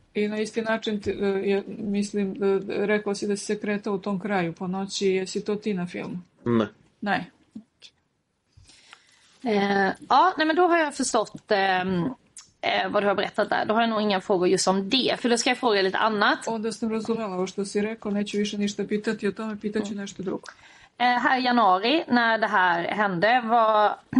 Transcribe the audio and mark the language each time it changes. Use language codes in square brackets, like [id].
[sr] I na isti način, mislim, rekla si da si se kretao u tom kraju po noći, jesi to ti na filmu? Ne. Ne. [sv] Ja, nej, men då har jag förstått vad du har berättat där. Då har jag nog inga frågor just om det, för då ska jag fråga lite annat. [sr] Onda sam razumela vad si rekao, neću više ništa pitati o tome, pitat ću nešto drugo. [sv] Här i januari, när det här hände, var...